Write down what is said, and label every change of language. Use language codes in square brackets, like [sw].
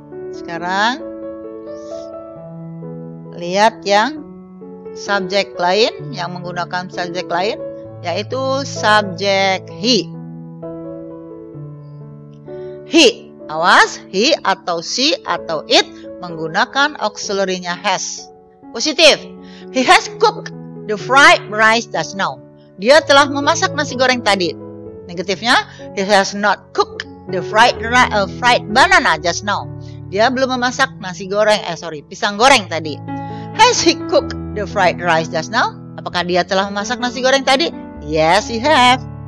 [id] Sekarang lihat yang subjek lain, yang menggunakan subjek lain, yaitu subjek he. He, awas, he atau she atau it menggunakan auxiliary-nya has. Positif, [en] he has cooked the fried rice just now. [id] Dia telah memasak nasi goreng tadi. Negatifnya, [en] he has not cooked the fried banana just now. [id] Dia belum memasak pisang goreng tadi. [en] Has he cooked the fried rice just now? [id] Apakah dia telah memasak nasi goreng tadi? [en] Yes, he has.